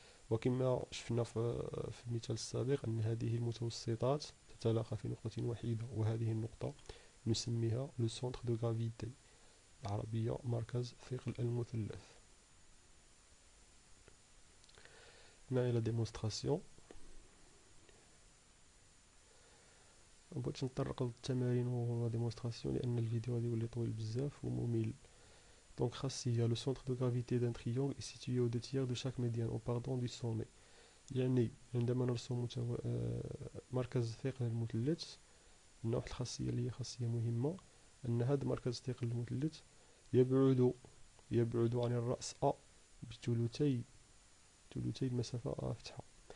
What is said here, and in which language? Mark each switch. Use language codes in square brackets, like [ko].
[ar] وكما شفنا في المثال السابق أن هذه المتوسطات تتلاقى في نقطة واحدة وهذه النقطة نسميها [fr] لو سونتر دو غرافيتي [ar] العربية مركز ثقل المثلث. هنا لا ديمونستراسيون. بغيت نتطرق للتمارين ولا ديمونستراسيون لأن الفيديو غادي يولي طويل بزاف وممل. [fr] Donc, خاصية, le centre de gravité d'un triangle est situé aux deux tiers de chaque médiane, ou pardon, du sommet. [ar] يعني عندما نرسم مركز ثقل المثلث، النوع الخاصية اللي هي خاصية مهمة، أن هذا مركز ثقل المثلث يبعد عن الرأس أ بثلثي المسافة أ فتحة.